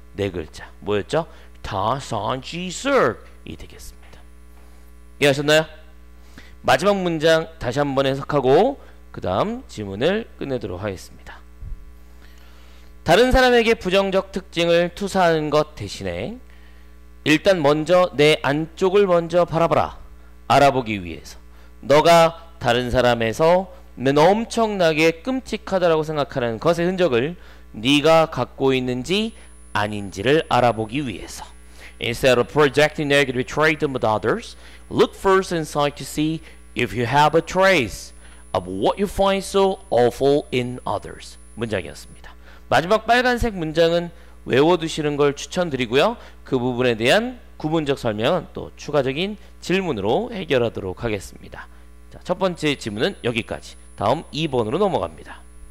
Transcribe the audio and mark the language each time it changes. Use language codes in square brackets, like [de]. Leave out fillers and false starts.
[ko] 네 글자 뭐였죠? 다산지슬이 되겠습니다. 이해하셨나요? 마지막 문장 다시 한번 해석하고 그 다음 지문을 끝내도록 하겠습니다. 다른 사람에게 부정적 특징을 투사하는 것 대신에 일단 먼저 내 안쪽을 먼저 바라봐라. 알아보기 위해서 너가 다른 사람에서 엄청나게 끔찍하다라고 생각하는 것의 흔적을 네가 갖고 있는지 아닌지를 알아보기 위해서 [en] Instead of projecting negative traits on others, look first inside to see if you have a trace of what you find so awful in others. [ko] 문장이었습니다. 마지막 빨간색 문장은 외워두시는 걸 추천드리고요. 그 부분에 대한 구문적 설명은 또 추가적인 질문으로 해결하도록 하겠습니다. 자, 첫 번째 질문은 여기까지. 다음 2번으로 넘어갑니다.